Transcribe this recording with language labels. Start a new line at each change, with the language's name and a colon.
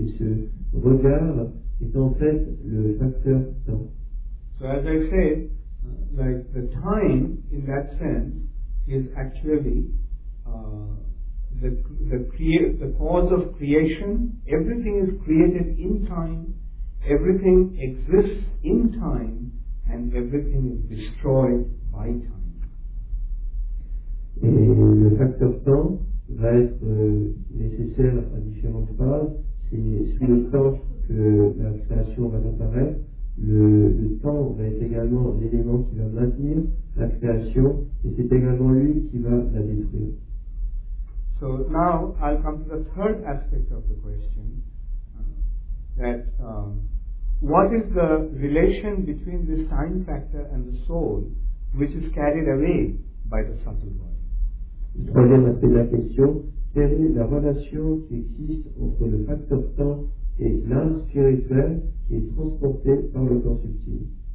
French: Et ce regard est en fait le facteur temps.
English: So as I said, like the time in that sense is actually the cause of creation. Everything is created in time. everything exists in time and everything is destroyed by time.
French: Et le facteur temps va être nécessaire à différentes phases. C'est sous le temps que la création va apparaître. Le temps va être également l'élément qui va maintenir la création et c'est également lui qui va la détruire.
English: So now I'll come to the third aspect of the question, that what is the relation between this time factor and the soul which is carried away by the subtle body?
French: Le troisième aspect de la question, quelle est la relation qui existe entre le facteur temps et l'âme spirituelle qui est transportée par le corps subtil?